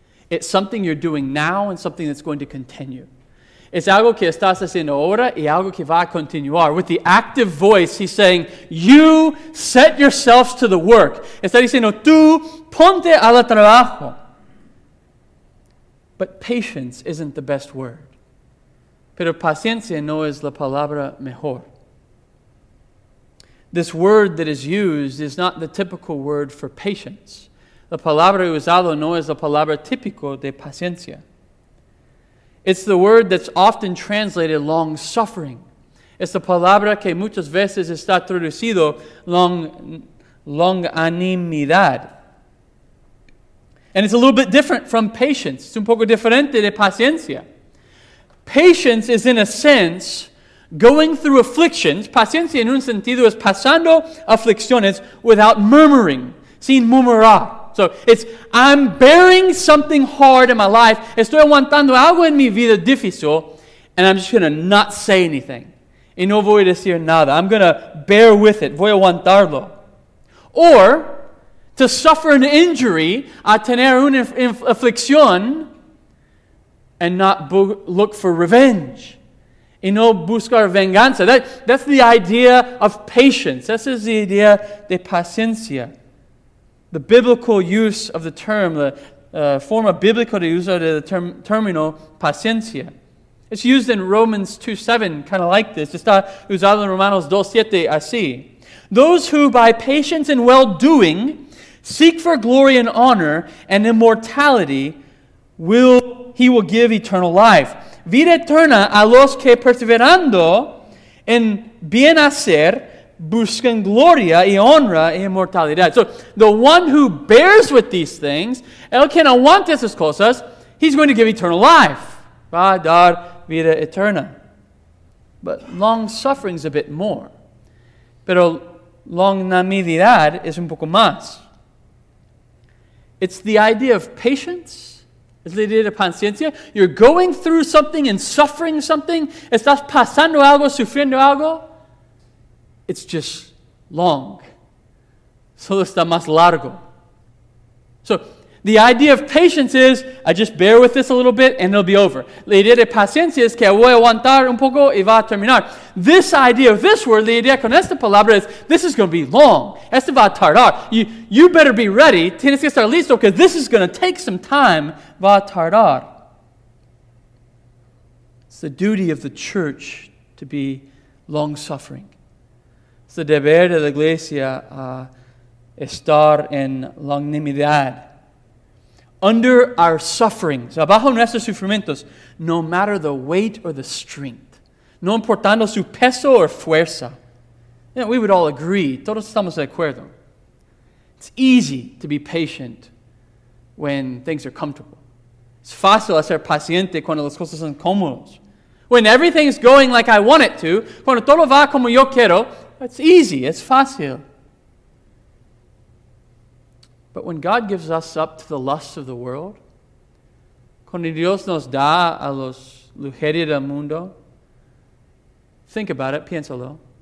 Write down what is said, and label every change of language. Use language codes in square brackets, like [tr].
[en] It's something you're doing now and something that's going to continue. It's [es] algo que estás haciendo ahora y algo que va a continuar. [en] With the active voice, he's saying, you set yourselves to the work. [es] Está diciendo, tú ponte al trabajo. [en] But patience isn't the best word. [es] Pero paciencia no es la palabra mejor. [en] This word that is used is not the typical word for patience. [es] La palabra usado no es la palabra típico de paciencia. [en] It's the word that's often translated long-suffering. [es] Es la palabra que muchas veces está traducido longanimidad. [en] And it's a little bit different from patience. [es] Es un poco diferente de paciencia. [en] Patience is, in a sense, going through afflictions. [es] Paciencia, en un sentido, es pasando aflicciones [en] without murmuring, [es] sin murmurar. [en] So it's, I'm bearing something hard in my life. [es] Estoy aguantando algo en mi vida difícil. [en] And I'm just going to not say anything. [es] Y no voy a decir nada. [en] I'm going to bear with it. [es] Voy a aguantarlo. [en] Or, to suffer an injury, [es] a tener una aflicción, [en] and not look for revenge. [es] Y no buscar venganza. [en] That's the idea of patience. This is the idea [es] de paciencia. [en] The biblical use of the term, the [es] forma biblica de usar de término paciencia. [en] It's used in Romans 2:7, kind of like this. [es] Está usado en Romanos 2:7, así. [en] Those who by patience and well-doing seek for glory and honor and immortality, he will give eternal life. [es] Vida eterna a los que perseverando en bien hacer, buscan gloria y honra y inmortalidad. [en] So the one who bears with these things, [es] el que no aguanta esas cosas, [en] he's going to give eternal life. [es] Va a dar vida eterna. [en] But long suffering is a bit more. [es] Pero longanimidad es un poco más. [en] It's the idea of patience. [es] Es la idea de paciencia. [en] You're going through something and suffering something. [es] Estás pasando algo, sufriendo algo. [en] It's just long. [es] Solo está más largo. [en] So, the idea of patience is, I just bear with this a little bit and it'll be over. [es] La idea de paciencia es que voy a aguantar un poco y va a terminar. [en] This idea of this word, [es] la idea con esta palabra [en] is, this is going to be long. [es] Esto va a tardar. [en] You better be ready. [es] Tienes que estar listo [en] because this is going to take some time. [es] Va a tardar. [en] It's the duty of the church to be long-suffering. [es] Es el deber de la iglesia a estar en longanimidad. [en] under our sufferings, [es] abajo nuestros sufrimientos, [en] no matter the weight or the strength, [es] no importando su peso [en] or fuerza. You know, we would all agree, [es] todos estamos de acuerdo. [en] It's easy to be patient when things are comfortable. [es] Es fácil ser paciente cuando las cosas son cómodas. [en] When everything is going like I want it to, [es] cuando todo va como yo quiero, [en] it's easy, it's fácil. But when God gives us up to the lusts of the world, [es] cuando Dios nos da a los lujerios del mundo, [en] think about it, piénsalo.